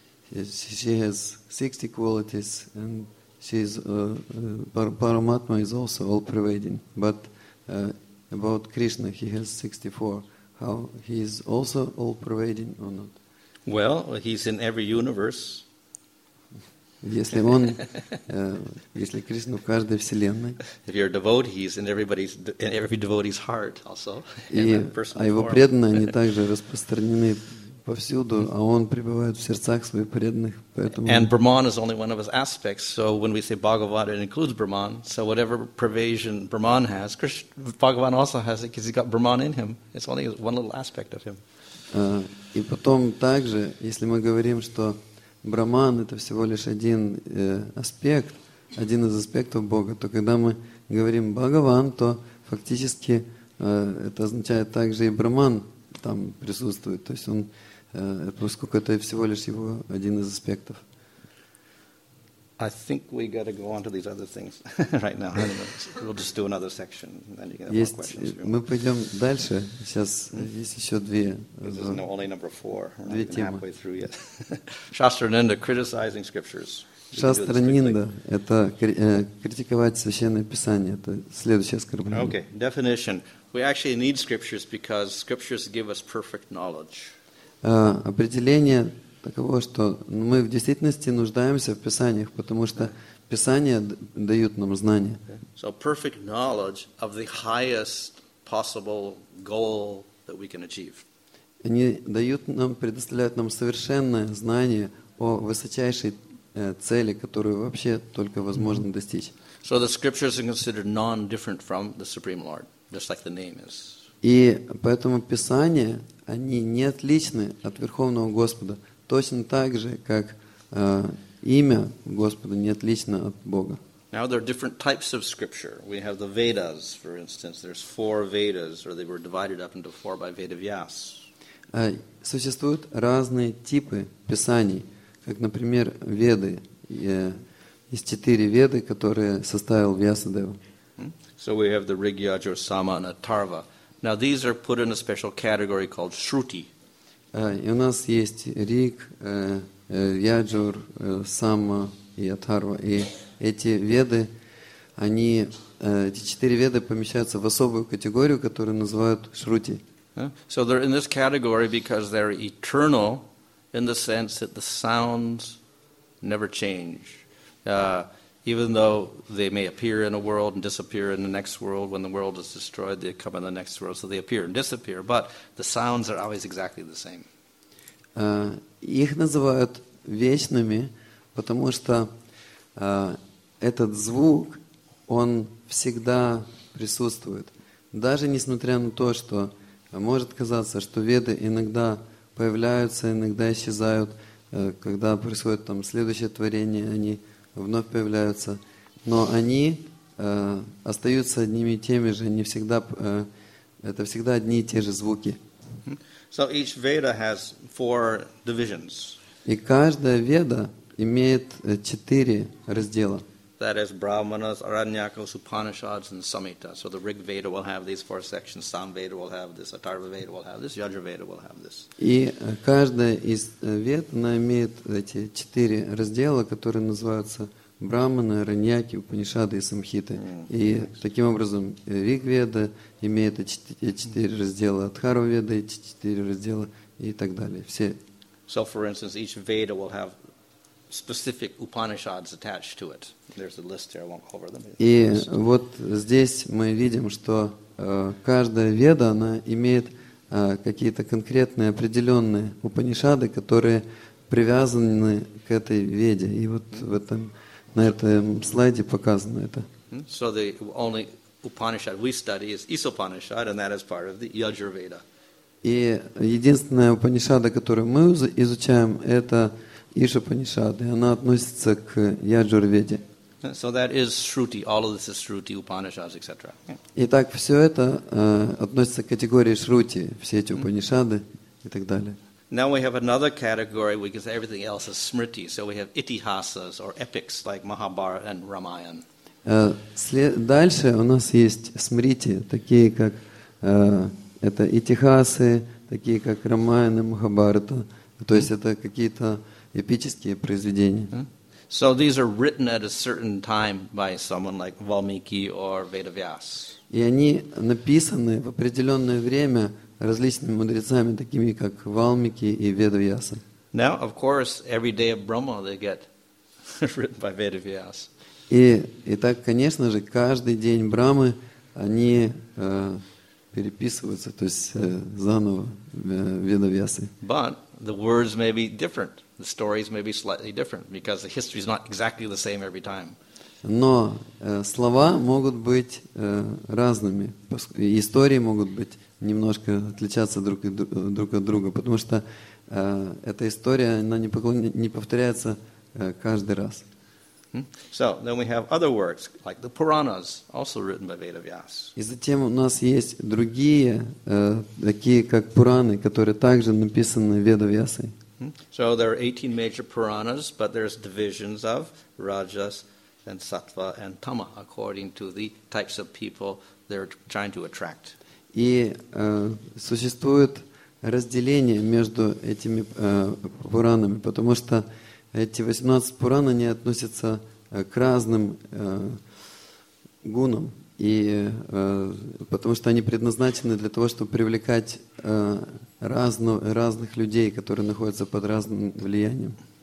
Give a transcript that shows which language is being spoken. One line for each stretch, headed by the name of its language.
English: She has 60 qualities, and Paramatma is also all-pervading. But about Krishna, he has 64. How he is also all pervading or not? Well, he's in every universe.
Russian: Если он, если Кришна в каждой вселенной.
English: If you're a devotee, he's in everybody's, in every devotee's heart also.
Russian: И а его преданные они также распространены повсюду, а он пребывает в сердцах своих преданных, поэтому.
English: And Brahman is only one of his aspects. So when we say Bhagavad, it includes Brahman. So whatever pervasion Brahman has, Bhagavan also has it, because he's got Brahman in him. It's only one little aspect of him.
Russian: И потом также, если мы говорим, что Брахман это всего лишь один аспект, один из аспектов Бога, то когда мы говорим Бхагаван, то фактически это означает также и Брахман там присутствует. То есть он поскольку это всего лишь его один из аспектов.
English: I think we got to go on to these other things right now. We'll just do another section, then you can have more questions.
Russian: Мы пойдем дальше. Сейчас есть еще две.
English: Only number four. We're not even halfway through yet. Shastra Ninda, criticizing scriptures.
Russian: Shastra Ninda – это критиковать Священное Писание. Это следующее оскорбление.
English: Okay, definition. We actually need scriptures because scriptures give us perfect knowledge.
Russian: Определение таково, что мы в действительности нуждаемся в Писаниях, потому что Писания дают нам знания.
English: So perfect knowledge of the highest possible goal that we can achieve.
Russian: Они предоставляют нам совершенное знание о высочайшей цели, которую вообще только возможно mm-hmm. достичь.
English: So the scriptures are considered non-different from the Supreme Lord, just like the name is.
Russian: И поэтому Писания, они не отличны от Верховного Господа, точно так же, как имя Господа не отлично от Бога.
English: Now there are different types of scripture. We have the Vedas, for instance. There's four Vedas, or they were divided up into four by Vedavyas.
Russian: Существуют разные типы писаний, как, например, Веды. Есть четыре Веды, которые составил Вьясадева.
English: So we have the Rig Yajur Sama and Atharva. Now these are put in a special category called Shruti.
Russian: И у нас есть Риг, Яджур, Сама и Атхарва. И эти Веды, они, эти четыре Веды помещаются в особую категорию, которую называют Шрути.
English: So they're in this category because they're eternal in the sense that the sounds never change. Even though they may appear in a world and disappear in the next world, when the world is destroyed, they come in the next world, so they appear and disappear, but the sounds are always exactly the same.
Russian: Их называют вечными, потому что этот звук, он всегда присутствует. Даже несмотря на то, что может казаться, что веды иногда появляются, иногда исчезают, когда происходит там следующее творение, они вновь появляются, но они остаются одними и теми же, они всегда, это всегда одни и те же звуки.
English: So each Veda has four divisions.
Russian: И каждая Веда имеет четыре раздела.
English: That is Brahmanas, Aranyakas, Upanishads, and Samhita. So the Rig Veda will have these four sections, Sam Veda will have this, Atharva Veda will have this, Yajur Veda will have this.
Russian: И каждая из Вед, она имеет эти четыре раздела, которые называются Брахманы, Араньяки, Упанишады и Самхиты. И таким образом Риг Веда имеет эти четыре раздела, Атхарва Веда эти четыре раздела и так далее. Все.
English: So, for instance, each Veda will have specific Upanishads attached to it. There's a list here, I won't cover them.
Russian: И вот здесь мы видим, что каждая Веда, она имеет какие-то конкретные, определенные Упанишады, которые привязаны к этой Веде. И вот в этом, на этом слайде показано это.
English: So the only Upanishad we study is Isopanishad, and that is part of the Yajur Veda.
Russian: И единственная Упанишада, которую мы изучаем, это Ишопанишада, и она относится к Яджур Веде.
English: So that is Shruti. All of this is Shruti, Upanishads, etc.
Russian: Итак, все это относится к категории Шрути, все эти Упанишады и так далее.
English: Now we have another category because everything else is Smriti. So we have Itihasas or epics like Mahabharata and Ramayana.
Russian: Дальше у нас есть Смрити, такие как это Итихасы, такие как Рамаяна, Махабхарата. То есть это какие-то эпические произведения.
English: So these are written at a certain time by someone like Valmiki or Vedavyas.
Russian: И они написаны в определенное время различными мудрецами, такими как Валмики и Ведавьяса.
English: Now, of course, every day of Brahma they get written by Vedavyas.
Russian: И так, конечно же, каждый день Брамы они переписываются, то есть заново Ведавьясы.
English: But the words may be different. The stories may be slightly different because the history is not exactly the same every time.
Russian: Но слова могут быть разными, истории могут быть немножко отличаться друг от друга, потому что эта история, она не повторяется каждый раз.
English: So, then we have other works, like the Puranas, also written by Vedavyas.
Russian: И затем у нас есть другие, такие как Пураны, которые также написаны Ведавьясой.
English: So, there are 18 major Puranas, but there's divisions of Rajas and Sattva and Tama, according to the types of people they're trying to attract.
Russian: И существует разделение между этими Пуранами, потому что эти 18 Пуран, они относятся к разным гунам, и, потому что они предназначены для того, чтобы привлекать разных людей, которые находятся под разным влиянием.